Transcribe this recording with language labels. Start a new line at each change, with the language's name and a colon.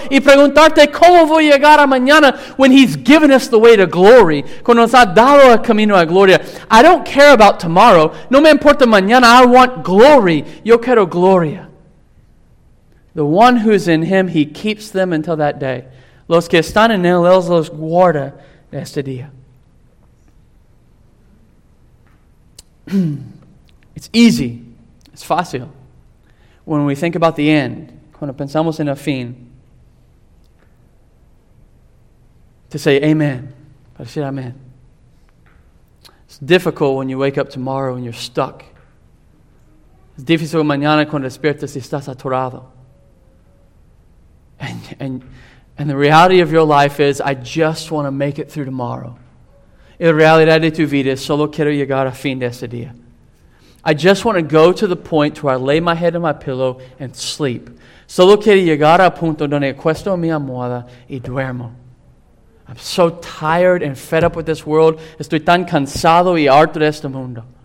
Spanish: Y preguntarte, ¿cómo voy a llegar a mañana?
English: When he's given us the way to glory.
Spanish: Cuando nos ha dado el camino a gloria.
English: I don't care about tomorrow.
Spanish: No me importa mañana.
English: I want glory.
Spanish: Yo quiero gloria.
English: The one who is in him, he keeps them until that day.
Spanish: Los que están en él, él los guarda de este día.
English: It's easy. It's fácil. When we think about the end,
Spanish: cuando pensamos en el fin,
English: to say amen,
Spanish: para decir amen.
English: It's difficult when you wake up tomorrow and you're stuck.
Spanish: Es difícil mañana cuando despiertas y estás atorado.
English: And the reality of your life is, I just want to make it through tomorrow.
Spanish: Y la realidad de tu vida es, solo quiero llegar a fin de este día.
English: I just want to go to the point where I lay my head in my pillow and sleep.
Spanish: Solo quiero llegar al punto donde acuesto mi almohada y duermo.
English: I'm so tired and fed up with this world.
Spanish: Estoy tan cansado y harto de este mundo.